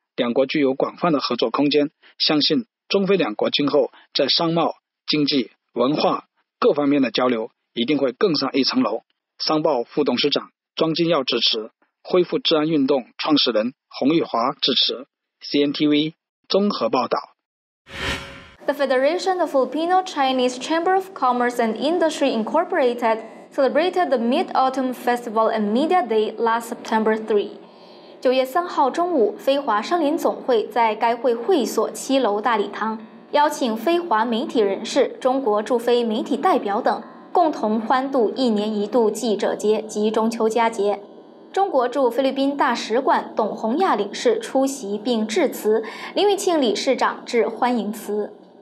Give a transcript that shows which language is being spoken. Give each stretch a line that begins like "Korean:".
Chinese: 两国具有广泛的合作空间，相信中非两国今后在商贸、经济、文化各方面的交流一定会更上一层楼。商报副董事长庄金耀致辞，恢复治安运动创始人洪玉华致辞。 CNTV 综合报道。
English: The Federation of Filipino-Chinese Chamber of Commerce and Industry Incorporated celebrated the Mid-Autumn Festival and Media Day last September 3.
Chinese: 9月3号中午，非华商联总会在该会会所七楼大礼堂邀请非华媒体人士、中国驻非媒体代表等共同欢度一年一度记者节及中秋佳节。中国驻菲律宾大使馆董宏亚领事出席并致辞，林玉庆理事长致欢迎辞。